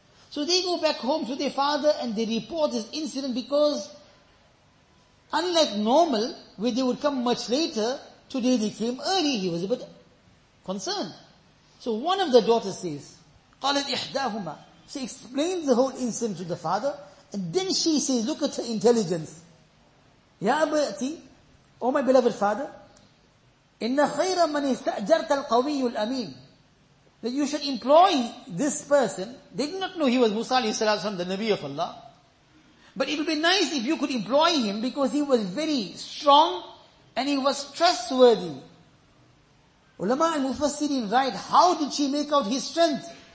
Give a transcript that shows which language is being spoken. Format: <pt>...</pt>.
<en>So they go back home to their father, and they report this incident, because unlike normal, where they would come much later, today they came early. He was a bit concerned. So one of the daughters says,</en> <ar>قَالَتْ إِحْدَاهُمَا.</ar> <en>She explains the whole incident to the father, and then she says, look at her intelligence.</en> <ar>يَا أَبَيْتِي,</ar> <en>O my beloved father,</en> <ar>إِنَّ خَيْرَ مَنِ اسْتَأْجَرْتَ الْقَوِيُّ الْأَمِينَ.</ar> <en>That you should employ this person. They did not know he was Musa alayhi salatu wasalam, the Nabi of Allah. But it would be nice if you could employ him, because he was very strong and he was trustworthy. Ulama al-Mufassirin write, how did she make out his strength?</en>